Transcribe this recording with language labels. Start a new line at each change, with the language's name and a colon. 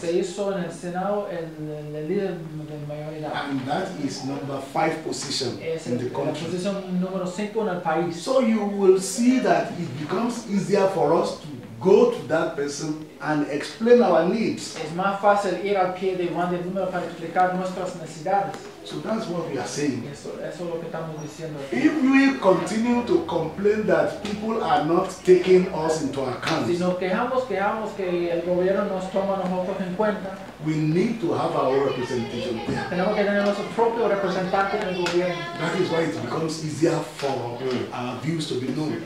Spanish: Se hizo en el Senado el líder de mayoría.
English: And that is number 5 position in the country.
Spanish: La posición número 5 en el país.
English: So you will see that it becomes easier for us to go to that person and explain our needs.
Spanish: Es más fácil ir al pie de Juan de Número para explicar nuestras necesidades.
English: So that's what we are saying.
Spanish: Eso es lo que estamos diciendo.
English: If we continue to complain that people are not taking us into account,
Spanish: si nos quejamos que el gobierno nos toma nosotros en cuenta,
English: we need to have our representation there.
Spanish: Tenemos que tener nuestro propio representante en el gobierno.
English: That is why it becomes easier for our views to be known.